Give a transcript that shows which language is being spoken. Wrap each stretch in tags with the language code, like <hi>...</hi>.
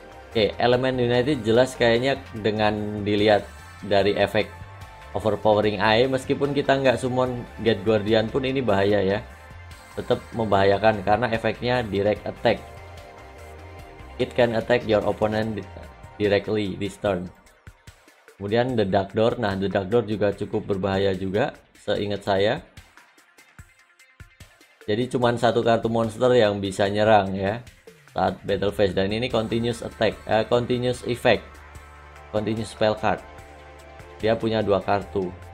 <id>Oke, elemen United jelas kayaknya dengan dilihat dari efek overpowering eye, meskipun kita nggak summon get guardian pun ini bahaya ya, tetap membahayakan karena efeknya direct attack.</id> <en>It can attack your opponent directly this turn.</en> <id>Kemudian the dark door, nah the dark door juga cukup berbahaya juga seingat saya. Jadi cuman satu kartu monster yang bisa nyerang ya saat battle phase, dan ini continuous attack, continuous effect, continuous spell card. Dia punya dua kartu.</id>